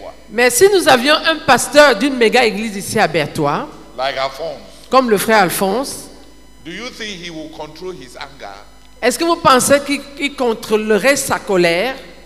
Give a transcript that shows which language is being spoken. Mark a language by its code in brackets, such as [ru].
[fr] Mais si nous avions un pasteur d'une méga église ici à Bertois, [en] like Alphonse, [fr] comme le frère Alphonse, [en] do you think he will control his anger? [fr] Est-ce que vous pensez qu'il contrôlerait sa colère?